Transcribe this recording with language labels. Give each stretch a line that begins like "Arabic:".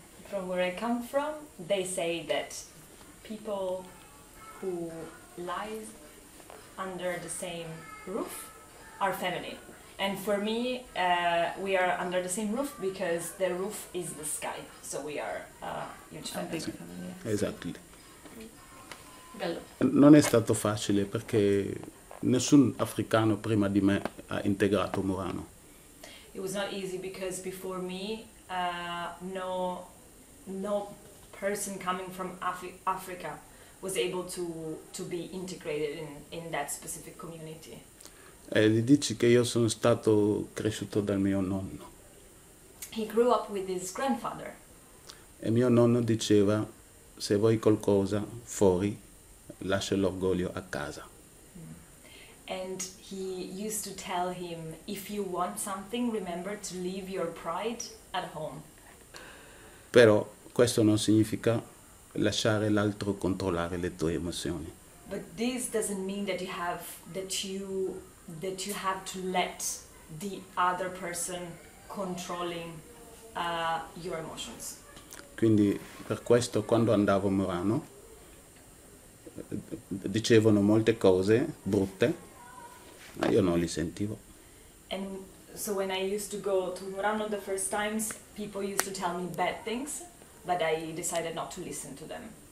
English: From where I come from, they say that people who lie under the same roof are family. And for me, we are under the same roof because the roof is the sky. So we are huge family. Big family. Exactly.
Italian: Bello. Non è stato facile perché nessun africano prima di me ha integrato Murano.
English: It was not easy because before me, no person coming from Africa was able to be integrated in that specific community.
Italian: E gli dici che io sono stato cresciuto dal mio nonno.
English: He grew up with his grandfather.
Italian: E mio nonno diceva, se vuoi qualcosa fuori, lascia l'orgoglio a casa.
English: And he used to tell him, if you want something, remember to leave your pride at home.
Italian: Però questo non significa lasciare l'altro controllare le tue emozioni.
English: But this doesn't mean that you have to let the other person controlling your emotions.
Italian: Quindi per questo quando andavo a Murano dicevano molte cose brutte, ma io non li sentivo.
English: And so when I used to go to Murano the first times, people used to tell me bad things, but I decided not to listen to them.